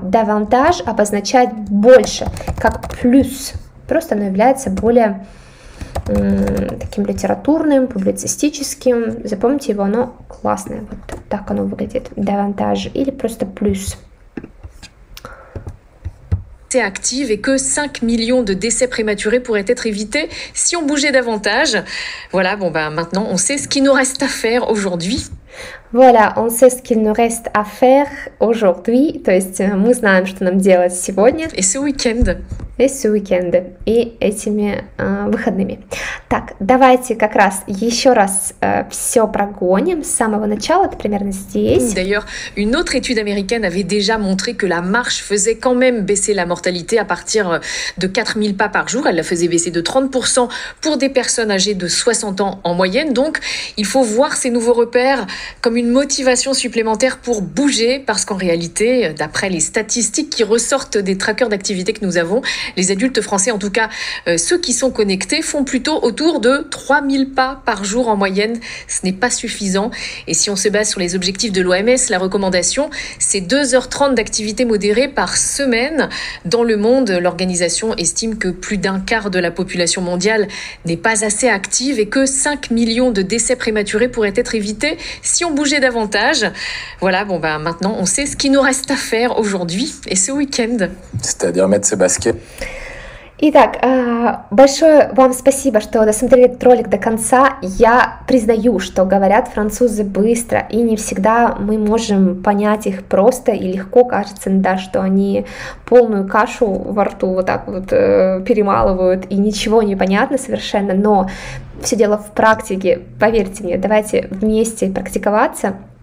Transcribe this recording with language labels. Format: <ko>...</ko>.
<ru>Davantage обозначает больше, как плюс. Просто оно является более таким литературным, публицистическим. Запомните его, оно классное. Вот так оно выглядит. Davantage или просто плюс.</ru> <fr>Active et que 5 millions de décès prématurés pourraient être évités si on bougeait davantage. Voilà, bon ben maintenant on sait ce qu'il nous reste à faire aujourd'hui. Voilà, on sait ce qu'il nous reste à faire aujourd'hui,</fr> <ru>то есть мы знаем, что нам делать сегодня.</ru> <fr>Et ce week-end. Et ce week-end.</fr> <ru>Et этими выходными. Так, давайте как раз еще раз все прогоним с самого начала, это примерно здесь.</ru> <fr>D'ailleurs, une autre étude américaine avait déjà montré que la marche faisait quand même baisser la mortalité à partir de 4000 pas par jour. Elle la faisait baisser de 30% pour des personnes âgées de 60 ans en moyenne. Donc, il faut voir ces nouveaux repères comme une motivation supplémentaire pour bouger, parce qu'en réalité, d'après les statistiques qui ressortent des trackers d'activité que nous avons, les adultes français, en tout cas ceux qui sont connectés, font plutôt autour de 3000 pas par jour en moyenne. Ce n'est pas suffisant. Et si on se base sur les objectifs de l'OMS, la recommandation, c'est 2h30 d'activité modérée par semaine. Dans le monde, l'organisation estime que plus d'un quart de la population mondiale n'est pas assez active et que 5 millions de décès prématurés pourraient être évités si on bougeait davantage. Voilà, bon ben maintenant, on sait ce qu'il nous reste à faire aujourd'hui et ce week-end. C'est-à-dire mettre ses baskets.</fr> <ru>Итак, большое вам спасибо, что досмотрели этот ролик до конца. Я признаю, что говорят французы быстро, и не всегда мы можем понять их просто и легко, кажется, да, что они полную кашу во рту вот так вот перемалывают, и ничего не понятно совершенно, но все дело в практике, поверьте мне, давайте вместе практиковаться.</ru>